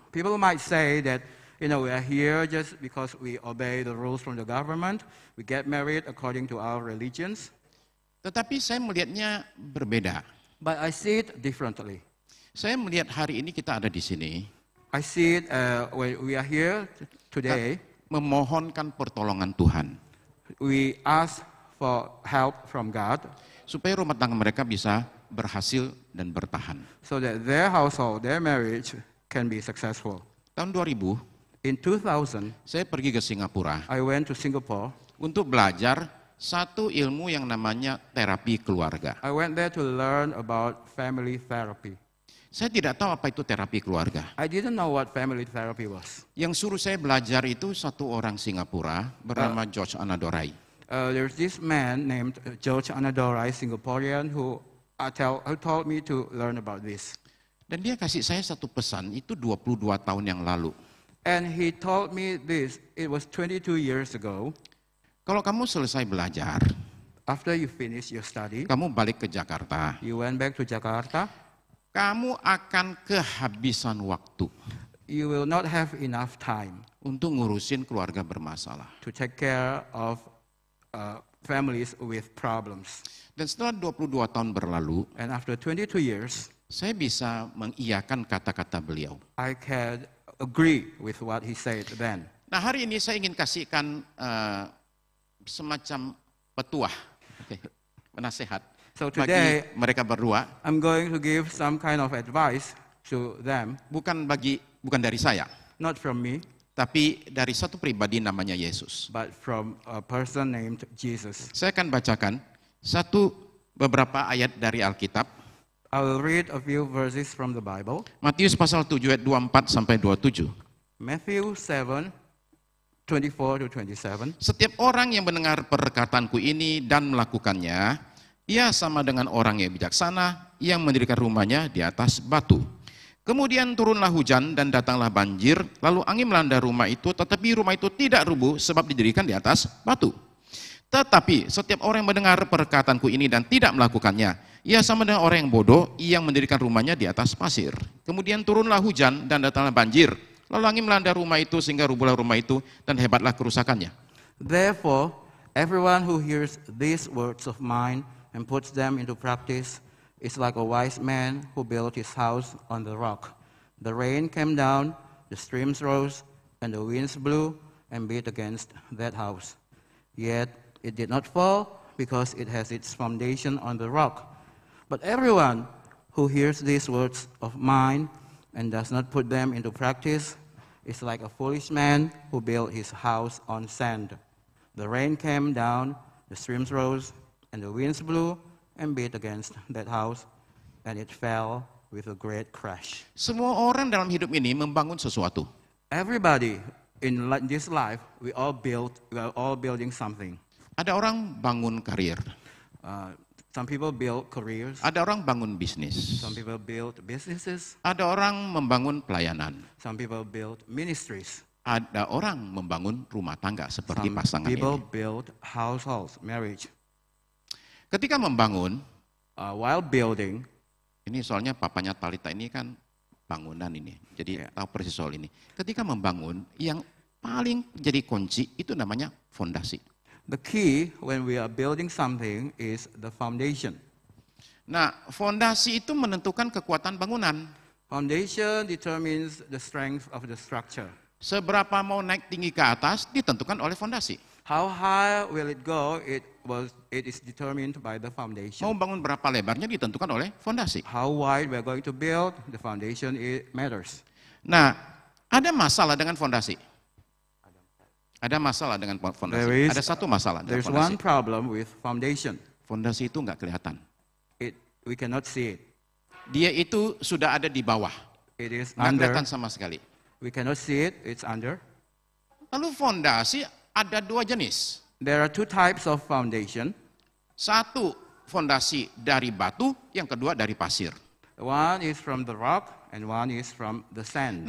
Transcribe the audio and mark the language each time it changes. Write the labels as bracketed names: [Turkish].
[English] People might say that you know we are here just because we obey the rules from the government, we get married according to our religions. [Indonesian] Tetapi saya melihatnya berbeda. [English] But I see it differently. [Indonesian] Saya melihat hari ini kita ada di sini. [English] I see it when we are here today. [Indonesian] Memohonkan pertolongan Tuhan. [English] We ask for help from God. [Indonesian] Supaya rumah tangga mereka bisa berhasil dan bertahan. [English] So that their household, their marriage can be successful. [Indonesian] Tahun 2000. [English] In 2000. [Indonesian] Saya pergi ke Singapura. [English] I went to Singapore. [Indonesian] Untuk belajar satu ilmu yang namanya terapi keluarga. [English] I went there to learn about family therapy. [Indonesian] Saya tidak tahu apa itu terapi keluarga. [English] I didn't know what family therapy was. [Indonesian] Yang suruh saya belajar itu satu orang Singapura bernama George Anadorai. [English] There's this man named George Anadorai, Singaporean, who told me to learn about this. [Indonesian] Dan dia kasih saya satu pesan itu 22 tahun yang lalu. [English] And he told me this, it was 22 years ago. [Indonesian] Kalau kamu selesai belajar, [English] after you finish your study, [Indonesian] kamu balik ke Jakarta. [English] You went back to Jakarta. [Indonesian] Kamu akan kehabisan waktu. [English] You will not have enough time [Indonesian] untuk ngurusin keluarga bermasalah. [English] To take care of families with problems. [Indonesian] Dan setelah 22 tahun berlalu, [English] and after 22 years, [Indonesian] saya bisa mengiyakan kata-kata beliau. [English] I can agree with what he said then. [Indonesian] Nah, hari ini saya ingin kasihkan semacam petuah. Penasehat. [English] So today, [Indonesian] bagi mereka berdua, [English] I'm going to give some kind of advice to them. [Indonesian] Bukan dari saya. [English] Not from me. [Indonesian] Tapi dari satu pribadi namanya Yesus. [English] But from a person named Jesus. [Indonesian] Saya akan bacakan satu beberapa ayat dari Alkitab. [English] I will read a few verses from the Bible. [Indonesian] Matius pasal 7 ayat 24 sampai 27. [English] Matthew 7. 24-27. [Indonesian] Setiap orang yang mendengar perkataanku ini dan melakukannya, ia sama dengan orang yang bijaksana yang mendirikan rumahnya di atas batu. Kemudian turunlah hujan dan datanglah banjir, lalu angin melanda rumah itu, tetapi rumah itu tidak rubuh sebab didirikan di atas batu. Tetapi setiap orang yang mendengar perkataanku ini dan tidak melakukannya, ia sama dengan orang yang bodoh yang mendirikan rumahnya di atas pasir. Kemudian turunlah hujan dan datanglah banjir, lalu angin melanda rumah itu sehingga rubuhlah rumah itu dan hebatlah kerusakannya. [English] Therefore, everyone who hears these words of mine and puts them into practice is like a wise man who built his house on the rock. The rain came down, the streams rose, and the winds blew and beat against that house. Yet it did not fall because it has its foundation on the rock. But everyone who hears these words of mine and does not put them into practice is like a foolish man who built his house on sand. The rain came down, the streams rose, and the winds blew and beat against that house, and it fell with a great crash. [Indonesian] Semua orang dalam hidup ini membangun sesuatu. [English] Everybody in this life, we are all building something. [Indonesian] Ada orang bangun karir. [English] Some people build careers. [Indonesian] Ada orang bangun bisnis. [English] Some people build businesses. [Indonesian] Ada orang membangun pelayanan. [English] Some people build ministries. [Indonesian] Ada orang membangun rumah tangga seperti [English] Some [Indonesian] pasangan [English] people [Indonesian] ini. [English] People build households, marriage. [Indonesian] Ketika membangun, [English] while building, [Indonesian] ini soalnya papanya Talita ini kan bangunan ini, jadi yeah. Tahu persis soal ini. Ketika membangun, yang paling jadi kunci itu namanya fondasi. [English] The key when we are building something is the foundation. [Indonesian] Nah, fondasi itu menentukan kekuatan bangunan. [English] Foundation determines the strength of the structure. [Indonesian] Seberapa mau naik tinggi ke atas ditentukan oleh fondasi. [English] How high will it go? It is determined by the foundation. [Indonesian] Mau bangun berapa lebarnya ditentukan oleh fondasi. [English] How wide we are going to build, the foundation it matters. [Indonesian] Nah, ada masalah dengan fondasi. Ada masalah dengan fondasi. [English] There is one problem with foundation. [Indonesian] Fondasi itu enggak kelihatan. [English] We cannot see it. [Indonesian] Dia itu sudah ada di bawah. [English] It is [Indonesian] enggak kelihatan sama sekali. [English] We cannot see it. It's under. [Indonesian] Lalu fondasi ada dua jenis. [English] There are two types of foundation. [Indonesian] Satu fondasi dari batu, yang kedua dari pasir. [English] One is from the rock and one is from the sand.